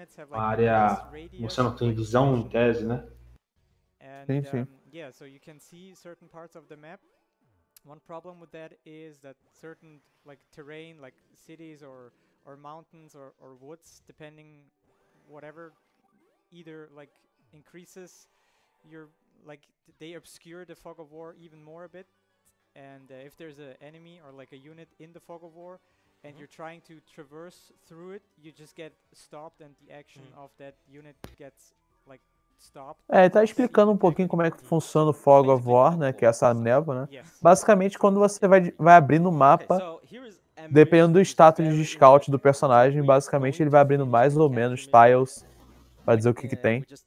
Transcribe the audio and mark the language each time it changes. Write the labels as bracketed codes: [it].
[pt] Uma área que você não tem visão em tese, né? Sim, sim. Então você pode ver certas partes do mapa. [en] One problem with that is that certain like terrain, like cities or mountains or woods, depending whatever, either like increases your like they obscure the fog of war even more a bit. And if there's an enemy or like a unit in the fog of war, and you're trying to traverse through it, you just get stopped, and the action of that unit gets like [pt] É, ele tá explicando um pouquinho como é que funciona o Fog of War, né, que é essa névoa, né? Basicamente, quando você vai, abrindo o mapa, dependendo do status de scout do personagem, basicamente ele vai abrindo mais ou menos tiles pra dizer o que que tem.